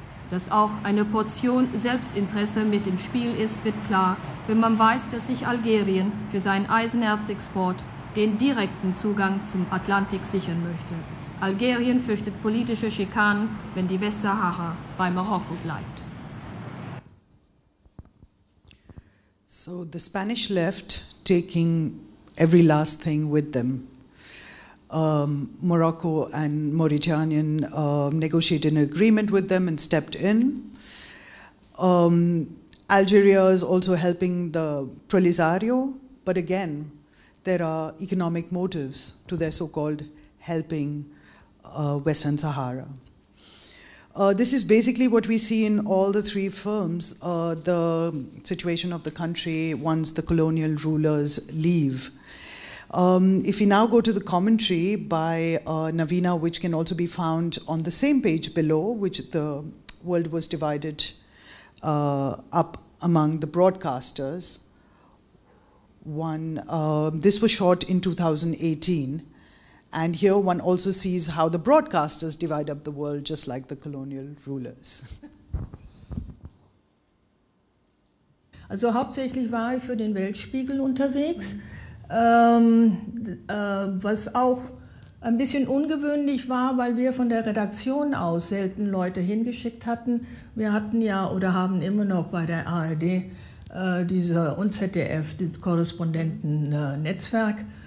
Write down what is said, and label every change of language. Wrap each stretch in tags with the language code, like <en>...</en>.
<de>Dass auch eine Portion Selbstinteresse mit im Spiel ist, wird klar, wenn man weiß, dass sich Algerien für seinen Eisenerzexport den direkten Zugang zum Atlantik sichern möchte. Algerien fürchtet politische Schikanen, wenn die Westsahara bei Marokko bleibt.</de> <en>So the Spanish left taking every last thing with them. Morocco and Mauritania negotiated an agreement with them and stepped in. Algeria is also helping the Polisario, but again, there are economic motives to their so-called helping Western Sahara. This is basically what we see in all the three films, the situation of the country once the colonial rulers leave. If we now go to the commentary by Navina, which can also be found on the same page below, which the world was divided up among the broadcasters. This was shot in 2018. And here one also sees how the broadcasters divide up the world, just like the colonial rulers.</en> <de>Also hauptsächlich war ich für den Weltspiegel unterwegs. Was auch ein bisschen ungewöhnlich war, weil wir von der Redaktion aus selten Leute hingeschickt hatten. Wir hatten ja oder haben immer noch bei der ARD diese und ZDF, das Korrespondenten-Netzwerk.</de>